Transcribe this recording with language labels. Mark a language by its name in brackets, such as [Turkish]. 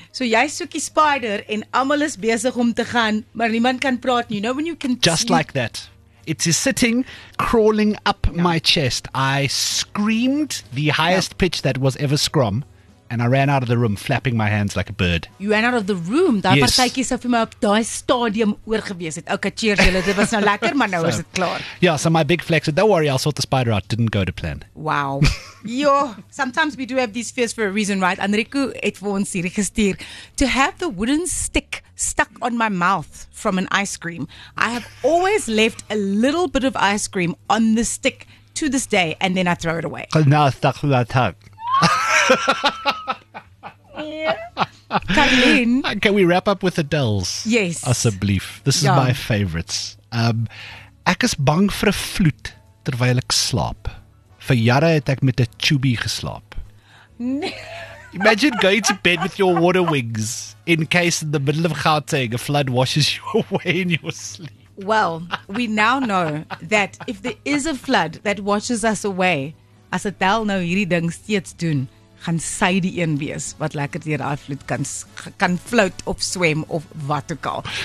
[Afrikaans] So jy soek die spider en almal is besig om te gaan, maar niemand kan praat nie. [English] You know when you can just sleep? Like that. It is sitting, crawling up my chest. I screamed the highest pitch that was ever scrum, and I ran out of the room, flapping my hands like a bird. You ran out of the room? [Afrikaans] Daar partytjie sou vir my op daai stadium oor gewees het. Okay, cheers julle, dit was nou lekker, maar nou is dit klaar. [English] Yeah, so my big flex, don't worry, I'll sort the spider out, didn't go to plan. Wow. Yo, sometimes we do have these fears for a reason, right? [Afrikaans] Enrico het vir ons hierdie gestuur. [English] To have the wooden stick stuck on my mouth from an ice cream. I have always left a little bit of ice cream on the stick to this day, and then I throw it away. Because now it's stuck to my tongue. Carlene. Can we wrap up with Adele's? Yes. [Afrikaans] Asseblief. [English] This is my favorites. [Afrikaans] Ek is bang vir 'n vloed terwyl ek slaap. Vir jare het ek met 'n chubby geslaap. [English] Imagine going to bed with your water wings in case in the middle of Gauteng a flood washes you away in your sleep. Well, we now know that if there is a flood that washes us away, as [Afrikaans] Adele nou hierdie ding steeds doen, gaan sy die een wees wat lekker deur daai vloed kan float of swem of wat ook al.